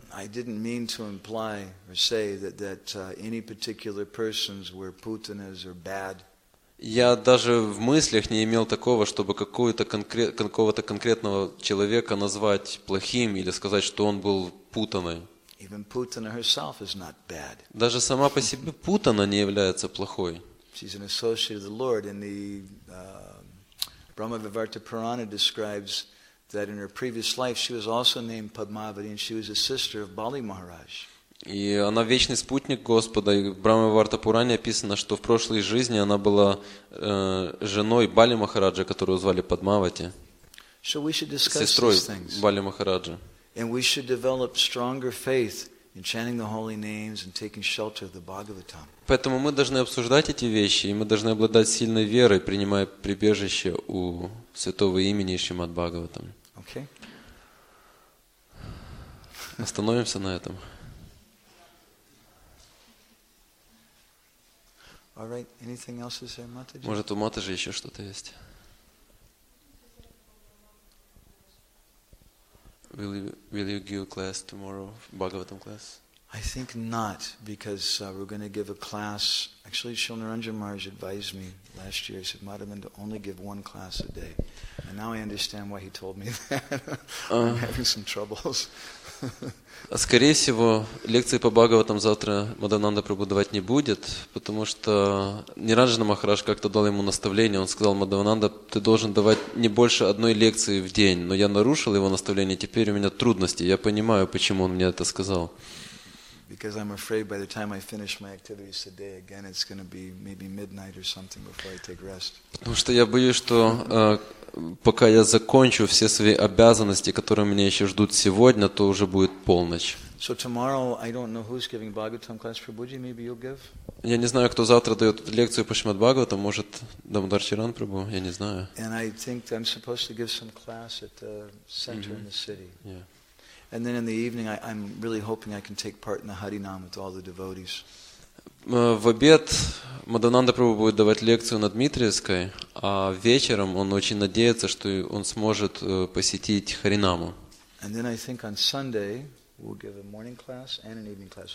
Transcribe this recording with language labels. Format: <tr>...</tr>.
<en>I didn't mean to imply or say that any particular persons were putanas or bad.</en> <ru>Я даже в мыслях не имел такого, чтобы какого-то конкретного человека назвать плохим или сказать, что он был путаной.</ru> <en>Even Putana herself is not bad.</en> <ru>Даже сама по себе путана не является плохой.</ru> <en>She's an associate of the Lord, and the Brahmavivarta Purana describes that in her previous life she was also named Padmavati, and she was a sister of Bali Maharaj.</en> <ru>И она вечный спутник Господа. И в Брахмаварта Пуране описано, что в прошлой жизни она была женой Бали Махараджа, которую звали Падмавати, сестрой Бали Махараджа. Поэтому мы должны обсуждать эти вещи, и мы должны обладать сильной верой, принимая прибежище у святого имени Шримад Бхагаватам.</ru> <en>Okay.</en> <ru>Остановимся на этом.</ru> <en>All right. Anything else is there, Mataji?</en> <ru>Может, у Матаджи еще что-то есть?</ru> <en>Will you give a class tomorrow, Bhagavatam class? I think not, because we're going to give a class. Actually, Srila Naranja Maharaj advised me last year. He said, Madhavan, to only give one class a day. And now I understand why he told me that. I'm having some troubles.</en> <ru>Скорее всего, лекции по Бхагаватам завтра Мадхавананда Прабху давать не будет, потому что Ниранджана Махарадж как-то дал ему наставление. Он сказал, Мадхавананда, ты должен давать не больше одной лекции в день. Но я нарушил его наставление, теперь у меня трудности. Я понимаю, почему он мне это сказал.</ru> <en>Because I'm afraid by the time I finish my activities today again, it's going to be maybe midnight or something before I take rest.</en> <ru>Потому что я боюсь, что пока я закончу все свои обязанности, которые меня еще ждут сегодня, то уже будет полночь.</ru> <en>So tomorrow, I don't know who's giving Bhagavatam class for Prabhuji. Maybe you'll give.</en> <ru>Я не знаю, кто завтра дает лекцию по Шримад Бхагаватам. Может, Дамодар Чиран Прабху? Я не знаю.</ru> <en>And I think I'm supposed to give some class at the center in the city. Yeah. And then in the evening, I'm really hoping I can take part in the Harinam with all the devotees.</en> <ru>В обед Мадхавананда Прабху будет давать лекцию на Дмитриевской, а вечером он очень надеется, что он сможет посетить Харинаму.</ru> <en>And then I think on Sunday we'll give a morning class and an evening class.</en>